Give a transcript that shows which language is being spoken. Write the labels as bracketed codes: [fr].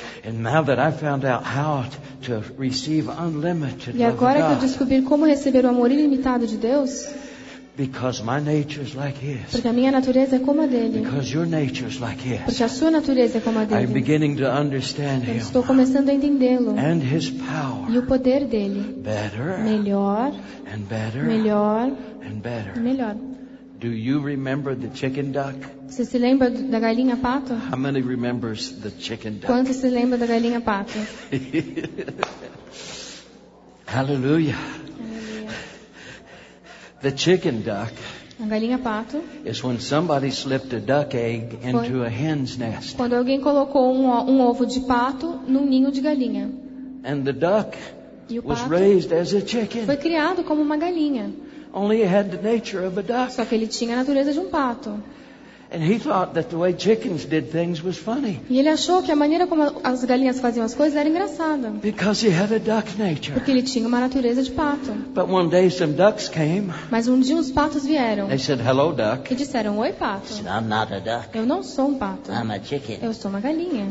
[en] And now that I found out how to receive unlimited love. [pt] E agora que eu descobri como receber o amor ilimitado de Deus. [en] Because my nature is like his. [pt] Porque a minha natureza é como a dele. [en] Because your nature is like his. [pt] Porque a sua natureza é como a dele. [en] I'm beginning to understand him. [pt] Estou começando a entendê-lo. [en] And his power. [pt] E o poder dele. [en] Better. [pt] Melhor. [en] And better. [pt] Melhor. [en] And better. [pt] Melhor. [en] Do you remember the chicken duck? [pt] Você se lembra da galinha pato? [en] How many remembers the chicken duck? [pt] Quantos se lembra da galinha pato? [en] Hallelujah. The chicken duck. [pt] A galinha pato. [en] Is when somebody slipped a duck egg into a hen's nest. [pt] Quando alguém colocou um ovo de pato num ninho de galinha. [en] And the duck was raised as a chicken. [pt] Foi criado como uma galinha. [en] Only he had the nature of a duck. [pt] Só que ele tinha a natureza de um pato. [en] And he thought that the way chickens did things was funny. [pt] E ele achou que a maneira como as galinhas faziam as coisas era engraçada. [en] Because he had a duck nature. [pt] Porque ele tinha uma natureza de pato. [en] But one day some ducks came. [pt] Mas um dia uns patos vieram. [en] They said, "Hello, duck." [pt] E disseram, "Oi, pato." [en] Said, "I'm not a duck." [pt] Eu não sou um pato. [en] I'm a chicken. [pt] Eu sou uma galinha.